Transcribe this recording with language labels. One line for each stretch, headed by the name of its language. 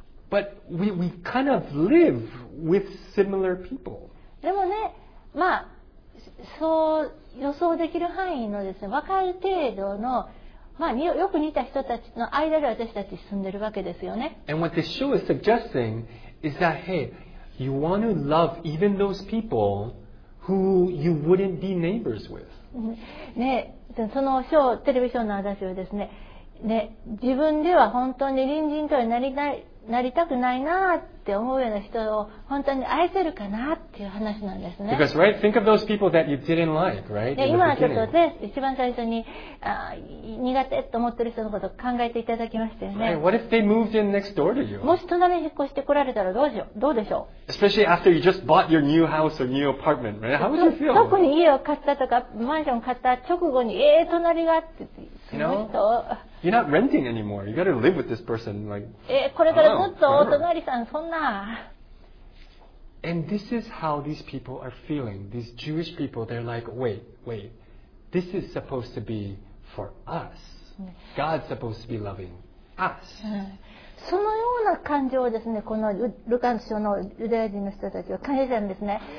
English: But we kind of live with similar people.
Japanese: でもね、まあ、そう予想できる範囲のですね、分かる程度の、まあ、よく似た人たちの間で私たち住んでるわけですよね。
English: And what this show is suggesting is that, hey, you want to love even those people who you wouldn't be neighbors with.
Japanese: ね、そのショー、テレビショーの私はですね、ね、自分では本当に隣人とはなりたくないなって思うような人を本当に愛せるかなっていう話なんですね。
English: Because right, think of those people that you didn't like, right?
Japanese: 今はちょっとね、一番最初に苦手と思ってる人のことを考えていただきましたよね。
English: Right, what if they moved in next door to you?
Japanese: もし隣に引っ越してこられたらどうでしょう。
English: Especially after you just bought your new house or new apartment, right? How would you feel?
Japanese: 特に家を買ったとかマンションを買った直後に隣がって。
English: You're not renting anymore. You got to live with this person. Like,
Japanese: これからずっとお隣さんそんな。
English: And this is how these people are feeling. These Jewish people, they're like, wait. This is supposed to be for us. God's supposed to be loving us.
Japanese: そのような感情をですね、このルカン書のユダヤ人の人たちは感じたんですね。